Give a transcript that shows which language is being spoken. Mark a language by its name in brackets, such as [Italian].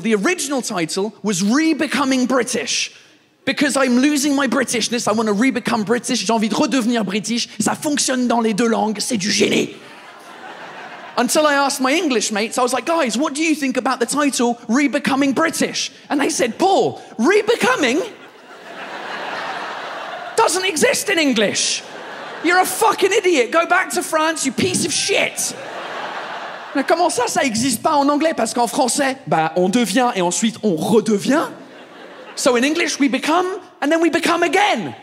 [English] The original title was Re-Becoming British. Because I'm losing my Britishness, I want to re-become British, [French] j'ai envie de redevenir British, ça fonctionne dans les deux langues, c'est du génie. [English] Until I asked my English mates, I was like, guys, what do you think about the title Re-Becoming British? And they said, Paul, re-becoming doesn't exist in English. You're a fucking idiot, go back to France, you piece of shit. [French] Mais comment ça, ça existe pas en anglais? Parce qu'en français, bah, on devient et ensuite on redevient. [English] So in English, we become, and then we become again.